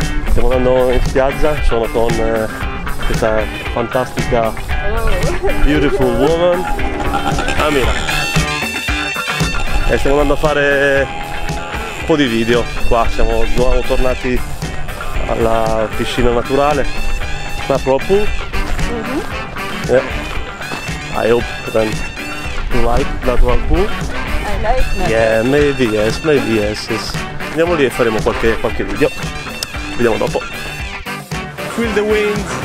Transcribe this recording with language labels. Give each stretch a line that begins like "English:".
Italian: Stiamo andando in spiaggia, sono con questa fantastica,
English: beautiful woman,
Italian: Amira. E stiamo andando a fare un po' di video qua, siamo tornati alla piscina naturale, ma proprio.
English: Yeah. I hope that you like that one pool. Yeah, maybe yes.
Italian: Andiamo lì e faremo qualche video. Vediamo dopo.
English: Feel the wind.